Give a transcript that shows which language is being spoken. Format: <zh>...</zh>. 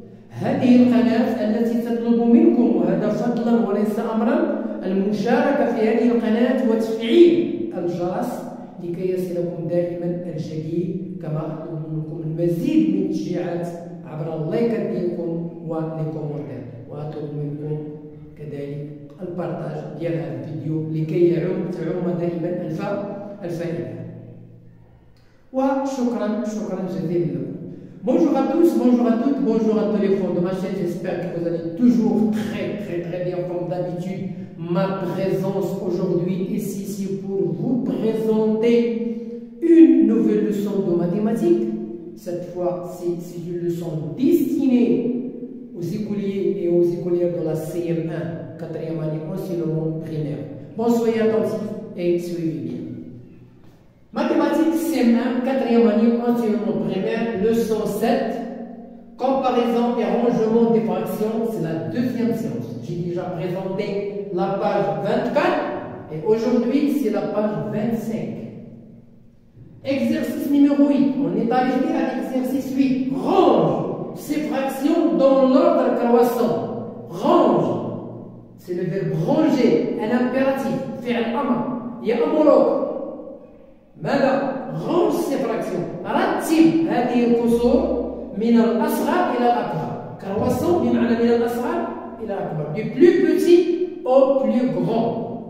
<ar>هذه القناة التي تطلب منكم، وهذا فضلا وليس أمرا، المشاركة في هذه القناة وتفعيل الجرس لكي يصلكم دائما الجديد، كما أطلب منكم المزيد من التشجيعات عبر اللايك ديالكم والكومنتات، وأطلب منكم كذلك البارتاج ديال هذا الفيديو لكي تعم دائما الفائدة. وشكرا، شكرا جزيلا لكم.</ar> <fr>Bonjour à tous, bonjour à toutes, bonjour à téléphone de ma chaîne. J'espère que vous allez toujours très très très bien comme d'habitude. Ma présence aujourd'hui ici, c'est pour vous présenter une nouvelle leçon de mathématiques. Cette fois, c'est une leçon destinée aux écoliers et aux écolières de la CM1, 4e année enseignement primaire. Bon, soyez attentifs et suivez bien. Mathématiques CM1, 4e année enseignement primaire, leçon 7, comparaison et rangement des fractions, c'est la deuxième séance. J'ai déjà présenté la page 24 et aujourd'hui c'est la page 25. Exercice numéro 8, on est arrivé à l'exercice 8. Range ces fractions dans l'ordre croissant. Range, c'est le verbe ranger, un impératif, faire un. Il y a un mot l'autre.</fr> <ar>ماذا؟</ar> <fr>رانج سي فراكسيون،</fr> <ar>رتب هذه القصور من الأصغر إلى الأكبر، كرواسون بمعنى من الأصغر إلى الأكبر،</ar> <fr>دو بلو بوتي أو بلو كغون.</fr>